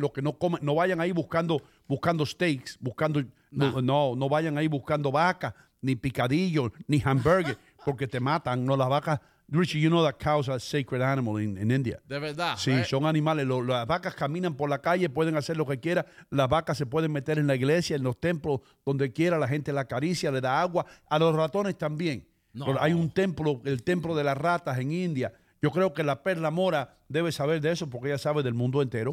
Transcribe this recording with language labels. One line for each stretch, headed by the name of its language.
Spanish: Los que no comen, no vayan ahí buscando steaks, buscando... Nah. No vayan ahí buscando vacas, ni picadillos, ni hamburgues, porque te matan. No, las vacas...
English: Richie, you know that cows are a sacred animal in India.
Spanish: De verdad. Sí,
English: right?
Spanish: Son animales. Las vacas caminan por la calle, pueden hacer lo que quieran. Las vacas se pueden meter en la iglesia, en los templos, donde quiera. La gente la acaricia, le da agua. A los ratones también. No. Pero hay un templo, el templo de las ratas en India... Yo creo que la Perla Mora debe saber de eso porque ella sabe del mundo entero.